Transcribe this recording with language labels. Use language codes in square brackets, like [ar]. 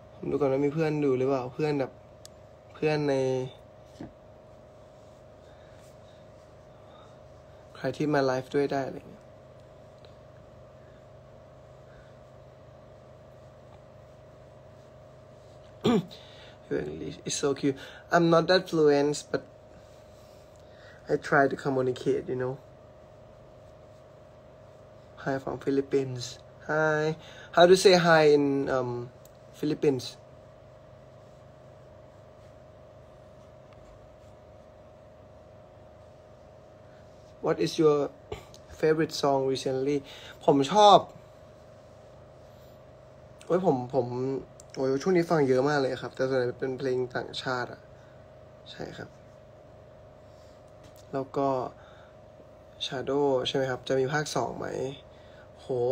[th] ดูก่อนว่ามีเพื่อนดูหรือเปล่าเพื่อนแบบเพื่อนในใครที่มาไลฟ์ด้วยได้เลย [en] Your English is so cute. I'm not that fluent, but I try to communicate, you know. Hi from Philippines. Hi. How do you say hi in Philippines? What is your favorite song recently? [th] ผมชอบเว้ยผมโอ้ยช่วงนี้ฟังเยอะมากเลยครับแต่ส่วนใหญ่เป็นเพลงต่างชาติอ่ะใช่ครับแล้วก็ Shadow ใช่ไหมครับจะมีภาค2ไหมโห